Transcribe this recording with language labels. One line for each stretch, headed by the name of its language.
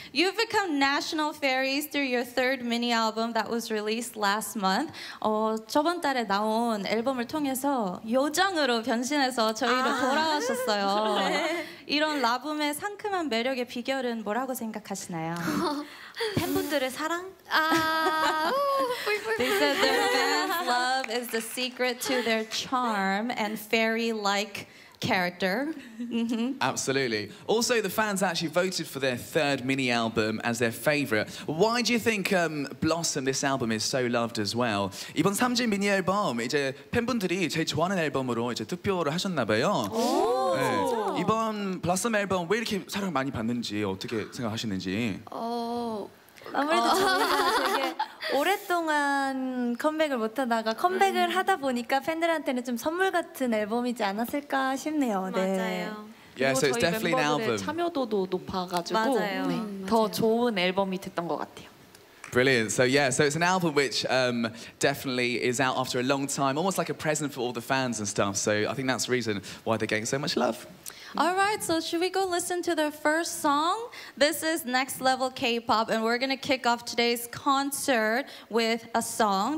English: You've become national fairies through your third mini album that was released last month.
Korean: 저번 달에 나온 앨범을 통해서 요정으로 변신해서 저희로 돌아오셨어요. 네. 이런 라붐의 상큼한 매력의 비결은 뭐라고 생각하시나요? 팬분들의 사랑? 아,
English: They said their fans' love is the secret to their charm and fairy-like character. Absolutely. Also, the fans actually voted for their third mini album as their favorite. Why do you think Blossom, this album, is so loved as well?
Korean: 이번 3집 mini album 이제 팬분들이 제일 좋아하는 앨범으로 이제 투표를 하셨나봐요. 이번 Blossom 앨범 왜 이렇게 사랑 많이 받는지 어떻게 생각하시는지? 아무래도 되게 오랫동안 컴백을 못하다가 컴백을 하다 보니까 팬들한테는 좀 선물 같은 앨범이지 않았을까 싶네요. 맞아요.
English: 네. Yeah, so it's definitely an album.
Korean: 참여도도 높아가지고 맞아요. 네. 더 맞아요. 좋은 앨범이 됐던 것 같아요.
English: Brilliant. So yeah, so it's an album which definitely is out after a long time, almost like a present for all the fans and stuff. So I think that's the reason why they're getting so much love. All right, so should we go listen to their first song? This is Next Level K-pop, and we're going to kick off today's concert with a song.